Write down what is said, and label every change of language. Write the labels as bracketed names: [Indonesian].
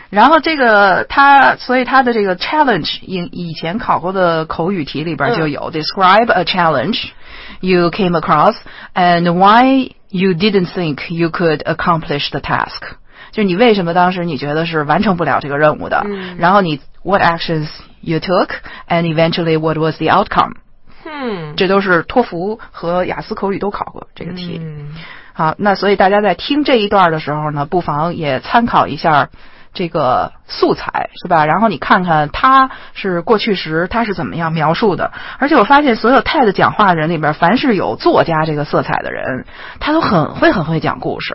[Chinese] 然后这个他，所以他的这个 [English] challenge [Chinese] 以前考过的口语题里边就有 [English] describe a challenge you came across and why you didn't think you could accomplish the task， [Chinese] 就你为什么当时你觉得是完成不了这个任务的、嗯、然后你 [English] what actions you took and eventually what was the outcome、嗯、 [Chinese] 这都是托福和雅思口语都考过这个题、嗯、好，那所以大家在听这一段的时候呢，不妨也参考一下这个素材，是吧？然后你看看他是过去时他是怎么样描述的。而且我发现所有 TED 讲话的人里边，凡是有作家这个色彩的人，他都很会讲故事，